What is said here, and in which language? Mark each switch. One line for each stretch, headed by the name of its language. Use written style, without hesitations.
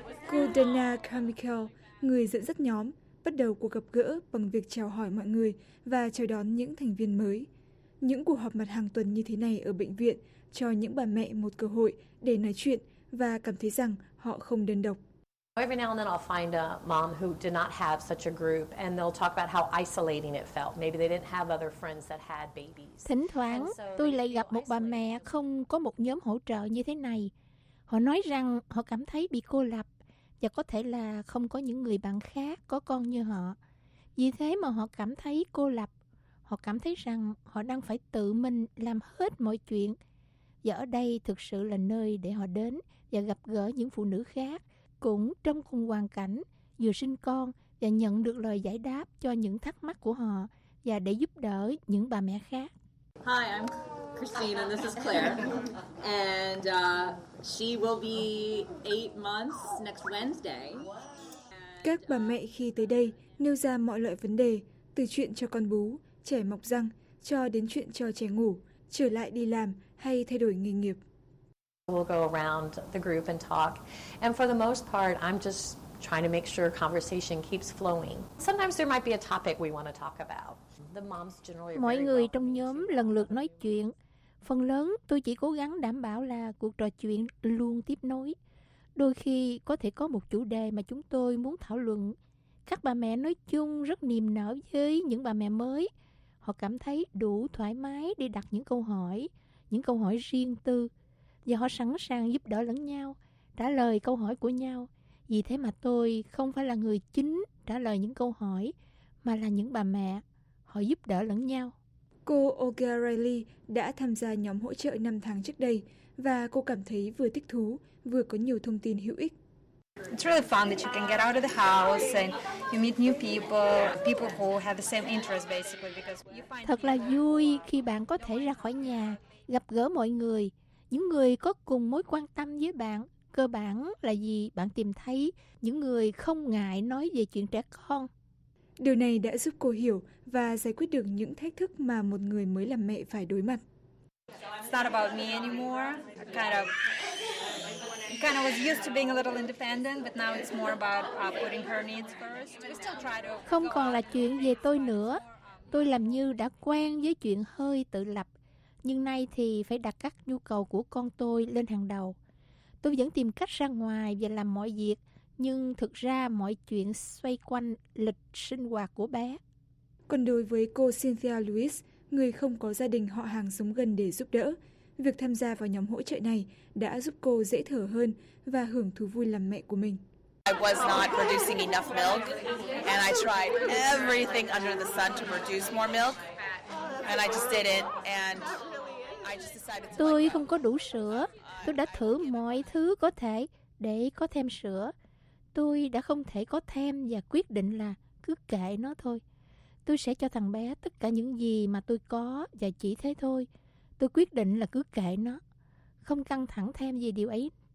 Vietnamese: Cô Dana Carmichael, người dẫn dắt nhóm, bắt đầu cuộc gặp gỡ bằng việc chào hỏi mọi người và chào đón những thành viên mới. Những cuộc họp mặt hàng tuần như thế này ở bệnh viện cho những bà mẹ một cơ hội để nói chuyện và cảm thấy rằng họ không đơn độc.
English: Every now and then I'll find a mom who did not have such a group and they'll talk about how isolating it felt. Maybe they didn't have other friends that had babies.
Vietnamese: Thỉnh thoảng tôi lại gặp một bà mẹ không có một nhóm hỗ trợ như thế này. Họ nói rằng họ cảm thấy bị cô lập và có thể là không có những người bạn khác có con như họ. Vì thế mà họ cảm thấy cô lập. Họ cảm thấy rằng họ đang phải tự mình làm hết mọi chuyện. Và ở đây thực sự là nơi để họ đến và gặp gỡ những phụ nữ khác cũng trong cùng hoàn cảnh, vừa sinh con và nhận được lời giải đáp cho những thắc mắc của họ và để giúp đỡ những bà mẹ khác.
English: Hi, I'm Christine and this is Claire. And she will be 8 months next Wednesday.
Vietnamese: Các bà mẹ khi tới đây nêu ra mọi loại vấn đề, từ chuyện cho con bú, trẻ mọc răng cho đến chuyện cho trẻ ngủ, trở lại đi làm hay thay đổi nghề nghiệp.
English: We'll go around the group and talk. And for the most part, I'm just trying to make sure conversation keeps flowing. Sometimes there might be a topic we want to talk about. The moms generally are very welcome.
Vietnamese: Mọi người trong nhóm lần lượt nói chuyện. Phần lớn tôi chỉ cố gắng đảm bảo là cuộc trò chuyện luôn tiếp nối. Đôi khi có thể có một chủ đề mà chúng tôi muốn thảo luận. Các bà mẹ nói chung rất niềm nở với những bà mẹ mới. Họ cảm thấy đủ thoải mái để đặt những câu hỏi riêng tư. Và họ sẵn sàng giúp đỡ lẫn nhau, trả lời câu hỏi của nhau. Vì thế mà tôi không phải là người chính trả lời những câu hỏi, mà là những bà mẹ. Họ giúp đỡ lẫn nhau. Cô Olga Riley đã tham gia nhóm hỗ trợ 5 tháng trước đây, và cô cảm thấy vừa thích thú, vừa có nhiều thông tin hữu ích.
English: It's really fun that you can get out of the house and you meet new people, people who have the same interest basically. Because you find
Vietnamese: thật là vui khi bạn có thể ra khỏi nhà, gặp gỡ mọi người. Những người có cùng mối quan tâm với bạn, cơ bản là vì bạn tìm thấy những người không ngại nói về chuyện trẻ con. Điều này đã giúp cô hiểu và giải quyết được những thách thức mà một người mới làm mẹ phải đối mặt.
English: It's not about me anymore. I kind of was used to being a little independent, but now it's more about putting her needs first. We still try to.
Vietnamese: Không còn là chuyện về tôi nữa. Tôi làm như đã quen với chuyện hơi tự lập. Nhưng nay thì phải đặt các nhu cầu của con tôi lên hàng đầu. Tôi vẫn tìm cách ra ngoài và làm mọi việc, nhưng thực ra mọi chuyện xoay quanh lịch sinh hoạt của bé. Còn đối với cô Cynthia Lewis, người không có gia đình họ hàng sống gần để giúp đỡ, việc tham gia vào nhóm hỗ trợ này đã giúp cô dễ thở hơn và hưởng thú vui làm mẹ của mình.
English: I was not producing enough milk, and I tried everything under the sun to produce more milk. And I just did it, and I just decided to.
Vietnamese: Tôi không có đủ sữa. Tôi đã thử mọi thứ có thể để có thêm sữa. Tôi đã không thể có thêm và quyết định là cứ kệ nó thôi. Tôi sẽ cho thằng bé tất cả những gì mà tôi có và chỉ thế thôi. Tôi quyết định là cứ kệ nó, không căng thẳng thêm về điều ấy.